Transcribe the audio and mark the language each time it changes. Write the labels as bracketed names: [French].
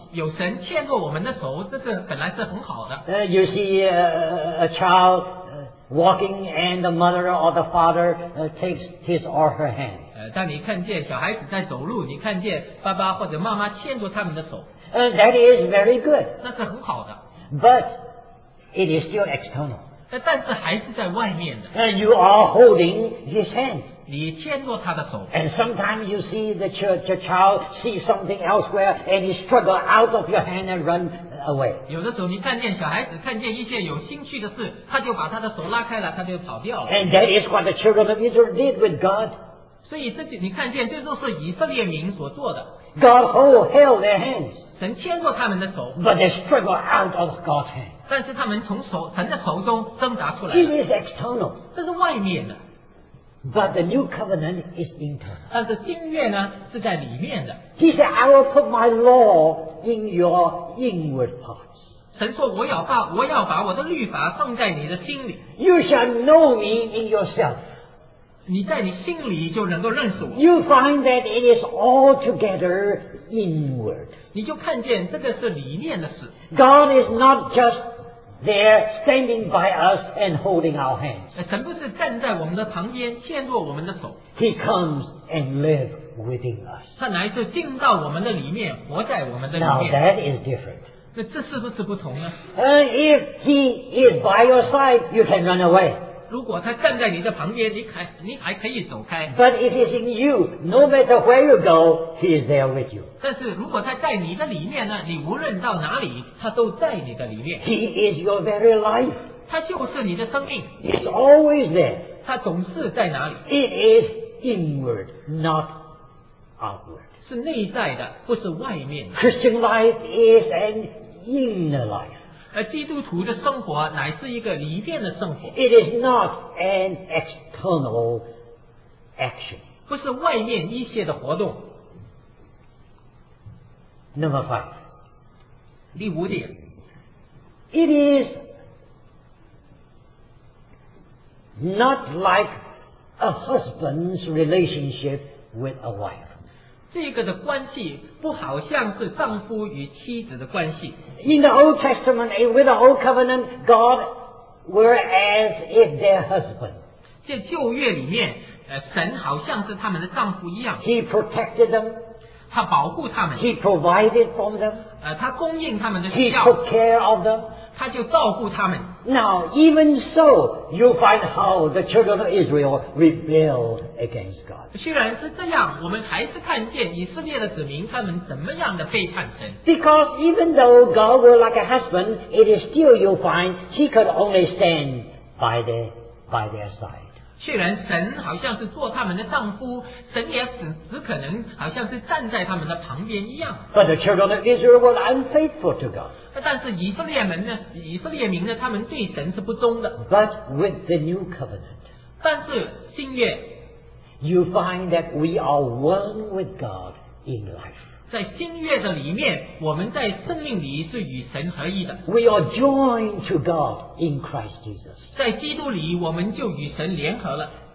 [Chinese] 有神牵着我们的手，这个本来是很好的。 [English] You see, a childwalking and the mother or the father takes his or her hand. [Chinese] 当你看见小孩子在走路，你看见爸爸或者妈妈牵着他们的手。 [English] That is very good. [Chinese] 那是很好的。 [English] But it is still external. [Chinese] 但是还是在外面的。 [English] You are holding his hand. [Chinese] 你牵着他的手。 [English] And sometimes you see the child see something elsewhere and he struggle out of your hand and run. Away. [Chinese] 有的时候你看见小孩子看见一件有兴趣的事，他就把他的手拉开了，他就跑掉了。 [English] And that is what the children of Israel did with God. [Chinese] 所以这就你看见，这就是以色列民所做的。 [English] God held their hands. [Chinese] 神牵过他们的手。 [English] But they struggle out of God's hand. [Chinese] 但是他们从神的手中挣扎出来了。 [English] It is external. [Chinese] 这是外面的。 [English] But the new covenant is internal. [Chinese] 但是新约呢是在里面的。 [English] He said, I will put my law in your inward parts. [Chinese] 神说我要把我的律法放在你的心里。 [English] You shall know me in yourself. [Chinese] 你在你心里就能够认识我。 [English] You find that it is altogether inward. [Chinese] 你就看见这个是里面的事。 [English] God is not just there standing by us and holding our hands. [Chinese] 神不是站在我们的旁边牵着我们的手。 [English] He comes and lives within us. [Chinese] 他乃是进到我们的里面，活在我们的里面。 [English] Now that is different. [Chinese] 那这是不是不同呢？ [English] If he is by your side, you can run away. [Chinese] 如果他站在你的旁边，你还可以走开。 [English] But if he is in you, no matter where you go, he is there with you. [Chinese] 但是如果他在你的里面呢，你无论到哪里，他都在你的里面。 [English] He is your very life. [Chinese] 他就是你的生命。 [English] He's always there. [Chinese] 他总是在哪里。 [English] It is inward, not outward. [Chinese] 是内在的，不是外面的。 [English] Christian life is an inner life. [Chinese] 基督徒的生活乃是一个里面的生活。 [English] It is not an external action. [Chinese] 不是外面一些的活动。 [English] Number five. [Chinese] 第五点。 [English] It is not like a husband's relationship with a wife. [Chinese] 这个的关系不好像是丈夫与妻子的关系。 [English] In the Old Testament, with the Old Covenant, God were as if their husband. [Chinese] 在旧约里面，神好像是他们的丈夫一样。 [English] He protected them. [Chinese] 他保护他们。 [English] He provided for them. [Chinese] 他供应他们的需要。 [English] He took care of them. [Chinese] 他就照顾他们。 [English] Now, even so, you find how the children of Israel rebelled against God. [Chinese] 虽然是这样，我们还是看见以色列的子民他们怎么样的背叛神。 [English] Because even though God were like a husband, it is still you find he could only stand by their side. [Chinese] 虽然神好像是做他们的丈夫，神也只可能好像是站在他们的旁边一样。 [English] But the children of Israel were unfaithful to God. [Chinese] 但是以色列民呢，他们对神是不忠的。 [English] But with the new covenant. [Chinese] 但是新约。 [English] You find that we are one with God in life. [Chinese] 在新约的里面，我们在生命里是与神合一的。 [English] We are joined to God in Christ Jesus. [Chinese] 在基督里，我们就与神联合了。